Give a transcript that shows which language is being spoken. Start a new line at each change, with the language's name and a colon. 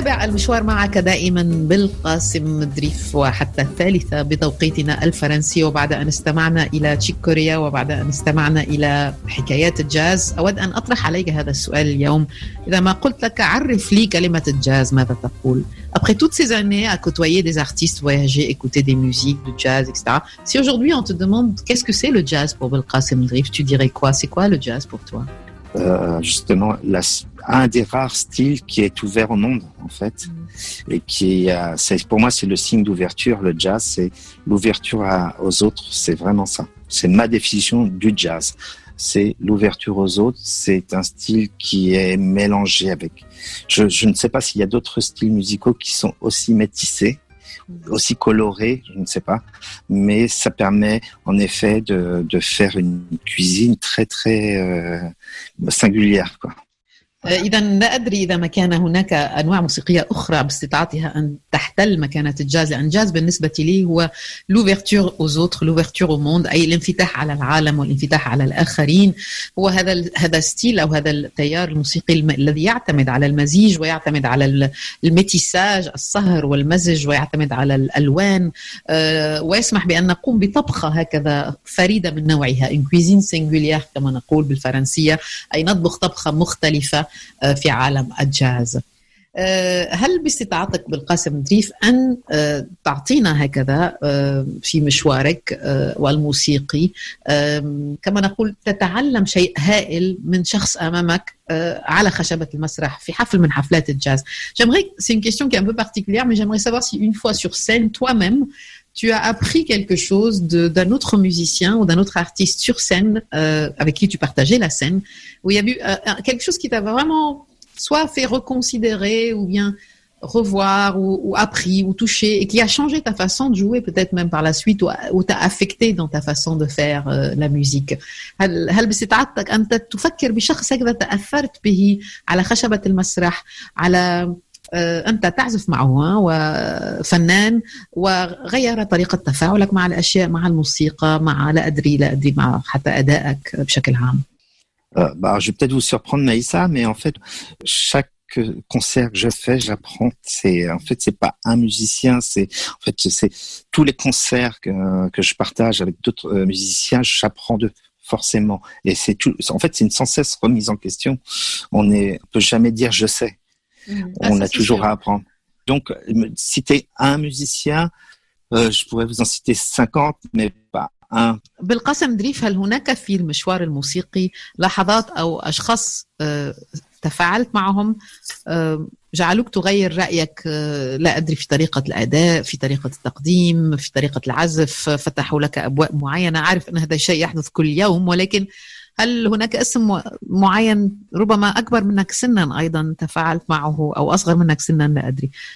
Arabic: المشوار معك دائما بالقاسم مدريف وحتى الثالثة بتوقيتنا الفرنسي. وبعد أن استمعنا إلى تشيك كوريا وبعد أن استمعنا إلى حكايات الجاز, أود أن أطرح عليك هذا السؤال اليوم. إذا ما قلت لك عرف لي كلمة الجاز ماذا تقول؟
French: Après toutes ces années à côtoyer des artistes, voyager, écouter des musiques de jazz, etc. Si aujourd'hui on te demande qu'est-ce que c'est le jazz pour Belkacem Mdrif, tu dirais quoi? C'est quoi le jazz pour toi? Justement, un des rares styles qui est ouvert au monde, en fait, et qui, c'est, pour moi, c'est le signe d'ouverture. Le jazz, c'est l'ouverture aux autres. C'est vraiment ça. C'est ma définition du jazz. C'est l'ouverture aux autres. C'est un style qui est mélangé avec. Je ne sais pas s'il y a d'autres styles musicaux qui sont aussi métissés, aussi colorés. Je ne sais pas. Mais ça permet, en effet, de faire une cuisine très très singulière, quoi.
Arabic: إذن لا أدري إذا ما كان هناك أنواع موسيقية أخرى باستطاعتها أن تحتل مكانة الجاز, لأن الجاز بالنسبة لي هو
French: l'ouverture aux autres, l'ouverture au monde,
Arabic: أي الانفتاح على العالم والانفتاح على الآخرين. هو هذا ستيل أو هذا التيار الموسيقي الذي يعتمد على المزيج ويعتمد على الميتيساج, الصهر والمزج, ويعتمد على الألوان, ويسمح بأن نقوم بطبخة هكذا فريدة من نوعها,
French: une cuisine singulière
Arabic: كما نقول بالفرنسية, أي نطبخ طبخة مختلفة في عالم الجاز. هل باستطاعتك بالقاسم دريف أن تعطينا هكذا في مشوارك والموسيقي, كما نقول تتعلم شيء هائل من شخص أمامك على خشبة المسرح في حفل من حفلات الجاز؟
French: J'aimerais, c'est une question qui est un peu particulière, mais j'aimerais savoir si une fois sur scène toi-même tu as appris quelque chose d'un autre musicien ou d'un autre artiste sur scène avec qui tu partageais la scène, où il y a eu quelque chose qui t'a vraiment soit fait reconsidérer ou bien revoir ou appris ou touché et qui a changé ta façon de jouer peut-être même par la suite ou t'a affecté dans ta façon de faire la musique.
Arabic: هل بستعطتك أن تفكر بشخص هكذا تأثرت به على خشبة المسرح على أنت تعزف معه وفنان وغير طريقة تفاعلك مع الأشياء, مع الموسيقى, مع لا أدري مع حتى أدائك بشكل عام.
French: Bah, je vais peut-être vous surprendre, Maïssa, mais en fait, chaque concert que je fais, j'apprends. C'est pas un musicien, c'est tous les concerts que je partage avec d'autres musiciens, j'apprends d'eux. Forcément. Et c'est tout. En fait, c'est une sans cesse remise en question. On peut jamais dire je sais. On a toujours à apprendre. Donc, citer un musicien, je pourrais vous en citer 50, mais pas un.
Arabic: بالقاسم دريف, هل هناك في المشوار الموسيقي لحظات أو أشخاص تفاعلت معهم جعلوك تغير رأيك، لا أدري في طريقة الأداء، في طريقة التقديم، في طريقة العزف، فتحوا لك أبواب معينة. عارف أن هذا الشيء يحدث كل يوم، ولكن هل هناك اسم معين ربما أكبر منك سنا أيضا تفاعلت معه أو أصغر منك سنا؟ لا أدري.